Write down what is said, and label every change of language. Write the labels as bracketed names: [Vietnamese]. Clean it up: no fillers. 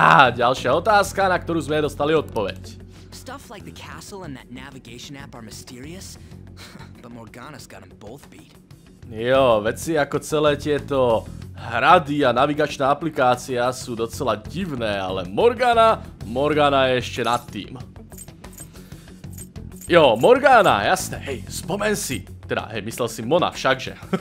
[Slovak] Ďalšia otázka, na ktorú sme dostali odpoveď. [English] Stuff like the castle and that navigation app are mysterious, but Morgana's got them both beat. [Slovak] Jo, veci ako celé tieto hrady a navigačná aplikácia sú docela divné, ale Morgana je ešte nad tým. Jo, Morgana, jasné, hej, spomen si. Teda, hej, myslel si Mona, všakže.